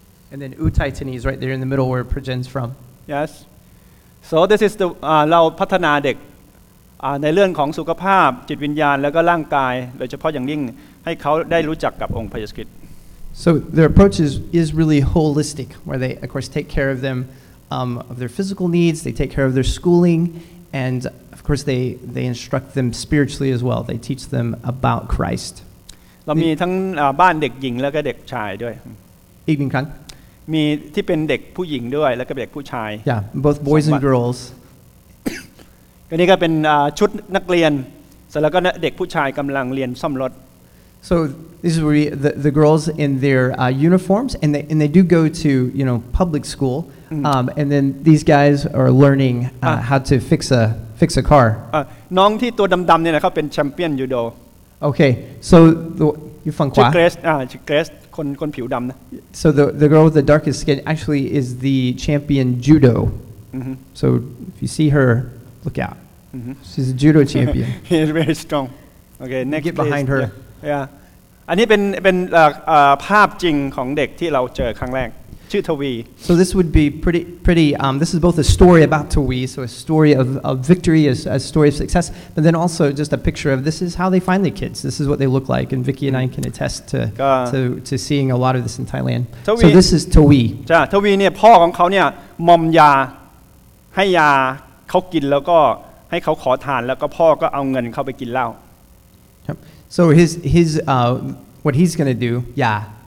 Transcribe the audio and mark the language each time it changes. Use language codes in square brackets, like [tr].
[en] And then Uthai Thani is right there in the middle where Prajen's from. Yes. So this is the, [th] เราพัฒนาเด็กในเรื่องของสุขภาพจิตวิญญาณแล้วก็ร่างกายโดยเฉพาะอย่างยิ่งให้เขาได้รู้จักกับองค์พระเยซูคริสต์ [en] So their approach is really holistic, where they, of course, take care of them, of their physical needs, they take care of their schooling, andOf course, they instruct them spiritually as well. They teach them about Christ. [th] เรามีทั้งบ้านเด็กหญิงแล้วก็เด็กชายด้วย อีกหนึ่งครั้ง มีที่เป็นเด็กผู้หญิงด้วยแล้วก็เด็กผู้ชาย [en] Yeah, both boys and girls. [th] ก็นี่ก็เป็นชุดนักเรียนแล้วก็เด็กผู้ชายกำลังเรียนซ่อมรถ [en] So this is where the girls in their uniforms, and they do go to you know public school, and then these guys are learning how to fix a car. [th] น้องที่ตัวดำๆเนี่ยเขาเป็นแชมเปี้ยนยูโด [en] Okay, so you [th] ฟังขวา ชื่อเกรซชื่อเกรซคนผิวดำนะ [en] So the girl with the darkest skin actually is the champion judo. So if you see her, look out. She's a judo champion. She's very strong. Okay, next. Get behind her. [th] Yeah, อันนี้เป็นภาพจริงของเด็กที่เราเจอครั้งแรกชื่อทวี [en] So this would be pretty this is both a story about Tawi so a story of victory as a story of success but then also just a picture of this is how they find the kids this is what they look like and Vicky and I can attest to seeing a lot of this in Thailand Tawi. So this is Tawi [th] จ้าทวีเนี่ยพ่อของเขาเนี่ยมอมยาให้ยาเขากินแล้วก็ให้เขาขอทานแล้วก็พ่อก็เอาเงินเข้าไปกินเหล้า [en] ครับ So his what he's going to do yeah